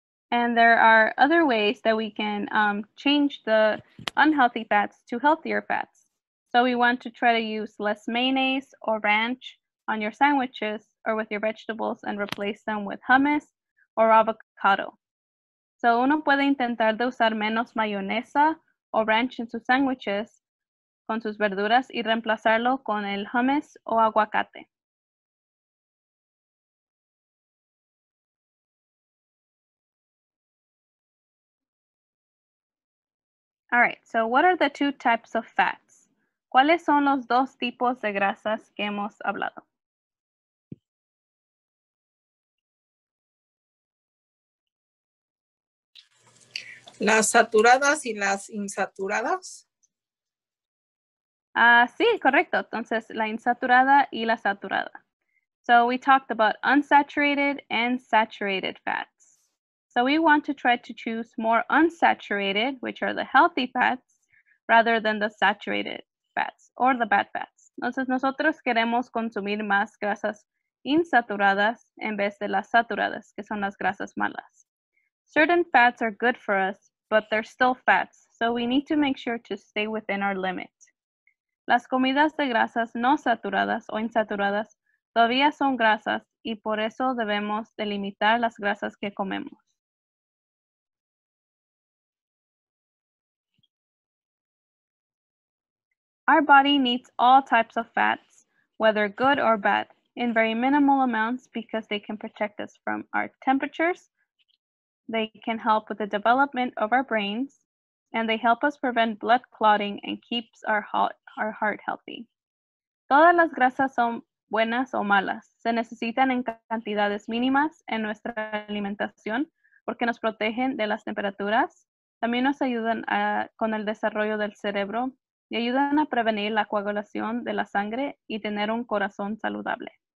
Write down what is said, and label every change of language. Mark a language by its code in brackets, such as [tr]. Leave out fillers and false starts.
[en] And there are other ways that we can change the unhealthy fats to healthier fats. So we want to try to use less mayonnaise or ranch on your sandwiches or with your vegetables and replace them with hummus or avocado. [es] So uno puede intentar de usar menos mayonesa o ranch en sus sandwiches con sus verduras y reemplazarlo con el hummus o aguacate. [en] All right, so what are the two types of fats? [es] ¿Cuáles son los dos tipos de grasas que hemos hablado? Las saturadas y las insaturadas. Sí, correcto. Entonces, la insaturada y la saturada. [en] So we talked about unsaturated and saturated fats. So we want to try to choose more unsaturated, which are the healthy fats, rather than the saturated fats or the bad fats. [es] Entonces nosotros queremos consumir más grasas insaturadas en vez de las saturadas, que son las grasas malas. [en] Certain fats are good for us, but they're still fats, so we need to make sure to stay within our limit. [es] Las comidas de grasas no saturadas o insaturadas todavía son grasas y por eso debemos delimitar las grasas que comemos. [en] Our body needs all types of fats, whether good or bad, in very minimal amounts because they can protect us from our temperatures, they can help with the development of our brains, and they help us prevent blood clotting and keeps our heart healthy. [es] Todas las grasas son buenas o malas. Se necesitan en cantidades mínimas en nuestra alimentación porque nos protegen de las temperaturas. También nos ayudan con el desarrollo del cerebro. Y ayudan a prevenir la coagulación de la sangre y tener un corazón saludable.